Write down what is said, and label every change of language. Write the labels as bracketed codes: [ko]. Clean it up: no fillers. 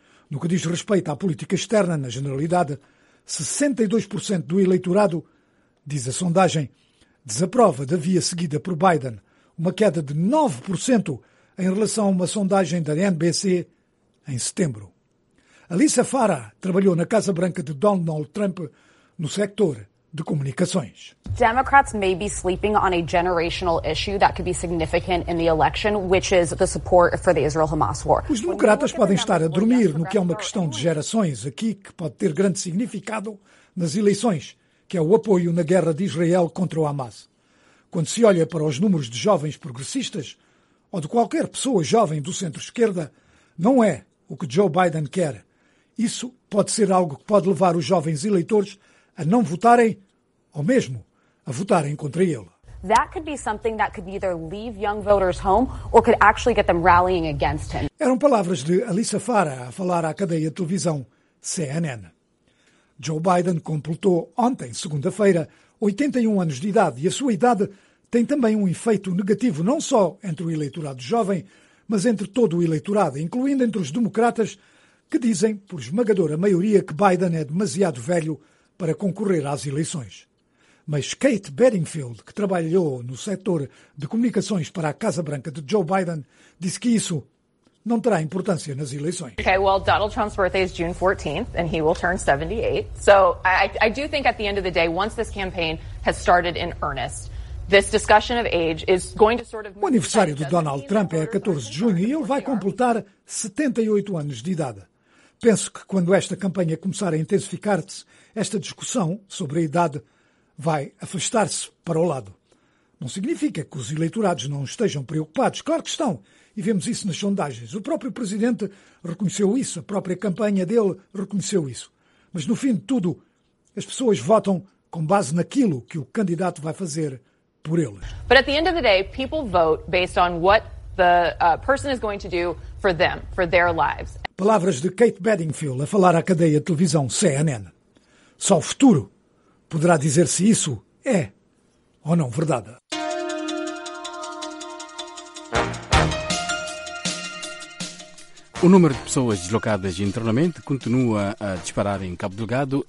[pt] No que diz respeito à política externa, na generalidade, 62% do eleitorado, diz a sondagem, desaprova da via seguida por Biden, uma queda de 9% em relação a uma sondagem da NBC em setembro. Alyssa Farah trabalhou na Casa Branca de Donald Trump no sector de comunicações. [en] Democrats may be sleeping on a generational issue that could be significant in the election, which is the support for the Israel-Hamas war. [pt] Os democratas podem estar a dormir no que é uma questão de gerações aqui que pode ter grande significado nas eleições, que é o apoio na guerra de Israel contra o Hamas. Quando se olha para os números de jovens progressistas ou de qualquer pessoa jovem do centro-esquerda, não é o que Joe Biden quer. Isso pode ser algo que pode levar os jovens eleitores a não votarem ou mesmo a votarem contra ele. [en] That could be something that could either leave young voters home or could actually get them rallying against him. [pt] Eram palavras de Alyssa Farah a falar à cadeia de televisão CNN. Joe Biden completou ontem, segunda-feira, 81 anos de idade e a sua idade tem também um efeito negativo não só entre o eleitorado jovem, mas entre todo o eleitorado, incluindo entre os democratas, que dizem, por esmagadora maioria, que Biden é demasiado velho para concorrer às eleições. Mas Kate Bedingfield, que trabalhou no setor de comunicações para a Casa Branca de Joe Biden, disse que isso não terá importância nas eleições. [en] Okay, well, Donald Trump's birthday is June 14th and he will turn 78. So, I do think at the end of the day, once this campaign has started in earnest, this discussion of age is going to sort of... [pt] O aniversário de Donald Trump é a 14 de junho e ele vai completar 78 anos de idade. Penso que quando esta campanha começar a intensificar-se, esta discussão sobre a idade vai afastar-se para o lado. Não significa que os eleitorados não estejam preocupados. Claro que estão. E vemos isso nas sondagens. O próprio presidente reconheceu isso. A própria campanha dele reconheceu isso. Mas no fim de tudo, as pessoas votam com base naquilo que o candidato vai fazer por eles. [en] But at the end of the day, people vote based on what the person is going to do for them, for their lives. [pt] Palavras de Kate Bedingfield a falar à cadeia de televisão CNN. Só o futuro poderá dizer se isso é ou não verdade. O número de pessoas deslocadas internamente continua a disparar em Cabo Delgado.